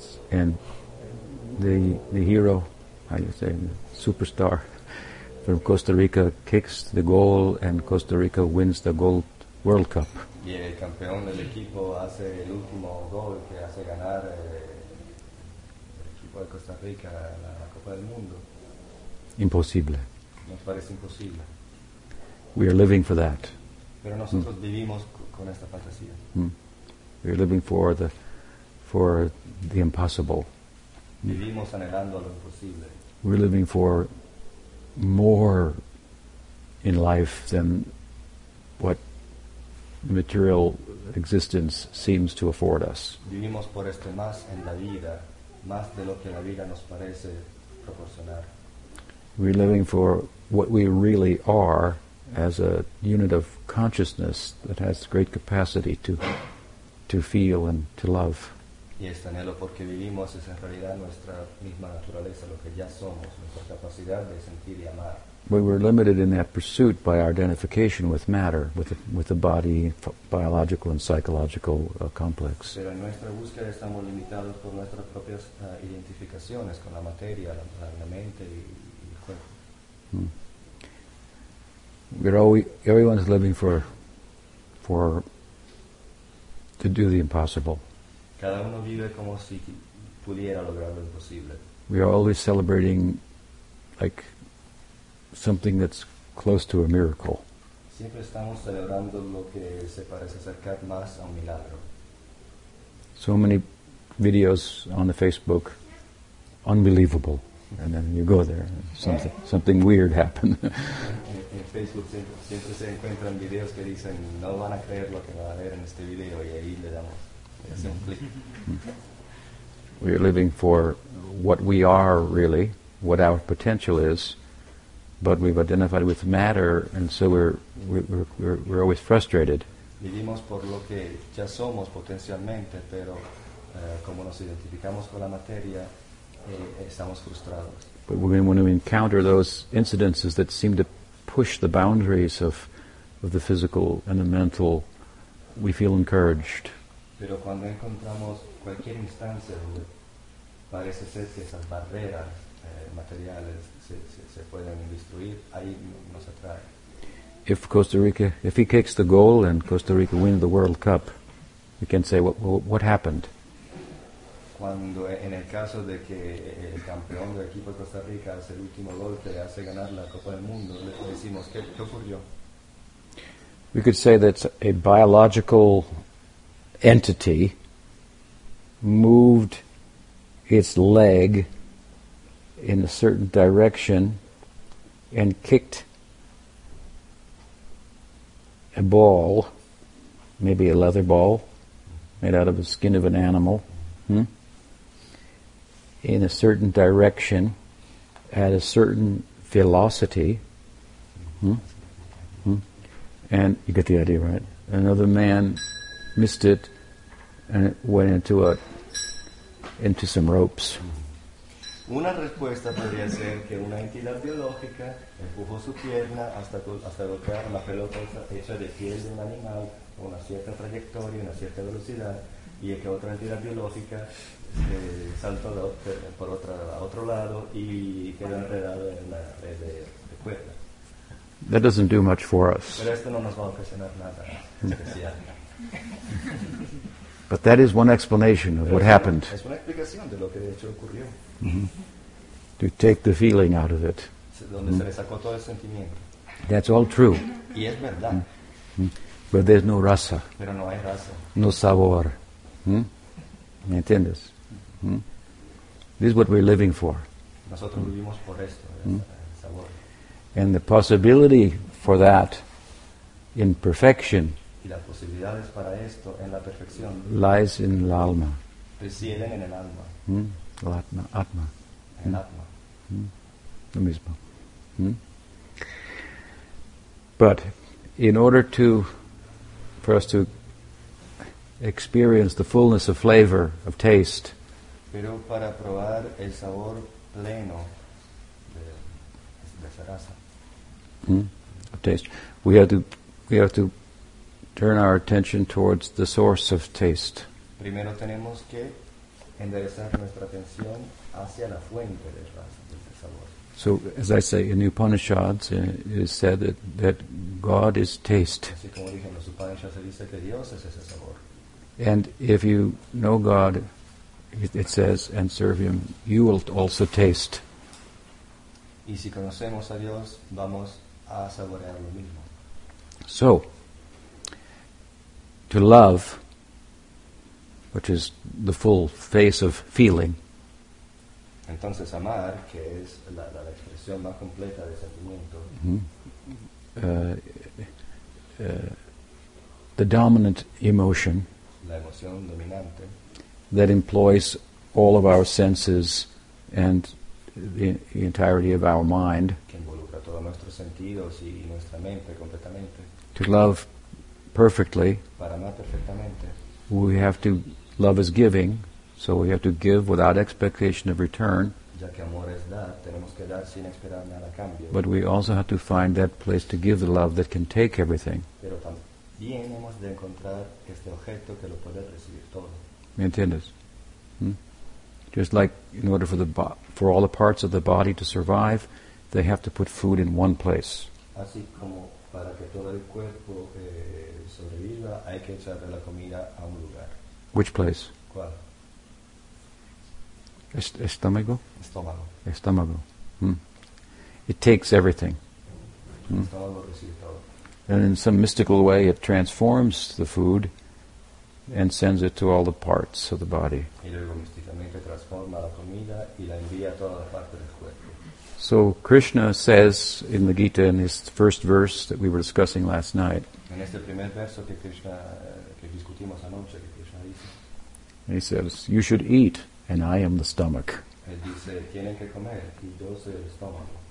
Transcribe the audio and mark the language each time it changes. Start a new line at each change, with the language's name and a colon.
English: And the hero, how you say, the superstar from Costa Rica kicks the goal and Costa Rica wins the gold World Cup.
Spanish: Y el campeón del equipo hace el último gol que hace ganar el equipo de Costa Rica la Copa del Mundo. Imposible. Nos parece imposible.
English: We are living for that.
Spanish: Pero nosotros vivimos con esta fantasía.
English: We are living for the impossible.
Spanish: Vivimos anhelando lo imposible.
English: We're living for more in life than what material existence seems to afford us.
Spanish: Vivimos por esto más en la vida, más de lo que la vida nos parece proporcionar.
English: We're living for what we really are as a unit of consciousness that has great capacity to feel and to love.
Spanish: Y este anhelo porque vivimos es en realidad nuestra misma naturaleza, lo que ya somos, nuestra capacidad de sentir y amar.
English: We were limited in that pursuit by our identification with matter, with the body, biological and psychological complex.
Spanish: Pero en nuestra búsqueda estamos limitados por nuestras propias identificaciones con la materia, la mente y el cuerpo.
English: Everyone's living for to do the impossible.
Spanish: Cada uno vive como si pudiera lograr lo imposible.
English: We are always celebrating like something that's close to a miracle.
Spanish: Siempre estamos celebrando lo que se parece acercar más a un milagro.
English: So many videos on the Facebook, unbelievable, and then you go there, something weird happened.
Spanish: En Facebook siempre se encuentran videos que dicen no van a creer lo que va a ver en este video y ahí le damos.
English: We are living for what we are really, what our potential is, but we've identified with matter, and so we're always frustrated.
Spanish: Vivimos por lo que ya somos potencialmente, pero como nos identificamos con la materia, estamos frustrados.
English: But when we encounter those incidences that seem to push the boundaries of the physical and the mental, we feel encouraged.
Spanish: Pero cuando encontramos cualquier instancia donde parece ser que esas barreras materiales se pueden destruir, ahí nos atrae.
English: If Costa Rica, if he kicks the goal and Costa Rica wins the World Cup, we can say what happened.
Spanish: Cuando en el caso de que el campeón del equipo de Costa Rica hace el último gol que le hace ganar la Copa del Mundo, le decimos qué ocurrió.
English: We could say that a biological entity moved its leg in a certain direction and kicked a ball, maybe a leather ball made out of the skin of an animal, in a certain direction at a certain velocity. And you get the idea, right? Another man missed it and it went into some ropes.
Spanish: Una respuesta podría ser que una entidad biológica empujó su pierna hasta golpear una pelota hecha de piel de un animal con una cierta trayectoria, una cierta velocidad, y que otra entidad biológica saltó a otro lado y quedó enredado en la red de cuerda.
English: That doesn't do much for us.
Spanish: Pero esto no nos va a ocasionar nada especial.
English: But that is one explanation of what happened.
Spanish: Es una explicación de lo que de hecho ocurrió.
English: To take the feeling out of it.
Spanish: Donde se le sacó todo el sentimiento.
English: That's all true.
Spanish: Y es verdad.
English: But there's no raza.
Spanish: Pero no hay raza. No sabor. ¿Me entiendes?
English: This is what we're living for.
Spanish: Nosotros vivimos por esto, el sabor.
English: And the possibility for that in perfection.
Spanish: Y las posibilidades para esto en la perfección
English: lies in
Spanish: el alma. Residen en el alma.
English: Atma.
Spanish: En atma. Lo mismo.
English: But in order to for us to experience the fullness of flavor of taste.
Spanish: Pero para probar el sabor pleno de esa raza.
English: Of taste. We have to turn our attention towards the source of taste.
Spanish: Primero tenemos que enderezar nuestra atención hacia la fuente del sabor.
English: So, as I say, in the Upanishads, it is said that God is taste.
Spanish: Así como dije, en los Upanishads se dice que Dios es ese sabor.
English: And if you know God, it says, and serve Him, you will also taste.
Spanish: Y si conocemos a Dios, vamos a saborear lo mismo.
English: So, to love, which is the full face of feeling.
Spanish: Entonces amar, que es la expresión más completa de sentimiento. Mm-hmm.
English: The dominant emotion.
Spanish: La emoción dominante.
English: That employs all of our senses and the entirety of our mind.
Spanish: Que involucra todos nuestros sentidos y nuestra mente completamente.
English: To love perfectly.
Spanish: Para amar perfectamente.
English: We have to love is giving, so we have to give without expectation of return.
Spanish: Ya que amor es dar, tenemos que dar sin esperar nada a cambio.
English: But we also have to find that place to give the love that can take everything.
Spanish: Pero también hemos de encontrar este objeto que lo puede recibir todo. ¿Me entiendes? Hmm?
English: Just like in order for for all the parts of the body to survive, they have to put food in one place.
Spanish: Así como para que todo el cuerpo sobreviva, hay que echar la comida a un lugar.
English: Which place?
Spanish: ¿Cuál? Estómago? Estómago. Estómago.
English: Hmm. It takes everything.
Spanish: Estómago recibe todo.
English: And in some mystical way it transforms the food and sends it to all the parts of the body.
Spanish: Y luego místicamente transforma la comida y la envía a toda la parte del cuerpo.
English: So Krishna says in the Gita, in his first verse that we were discussing last night,
Spanish: en este primer verso que Krishna, que discutimos anoche, que Krishna dice,
English: he says, you should eat, and I am the stomach.
Spanish: Él dice, tienen que comer, y yo soy el estómago.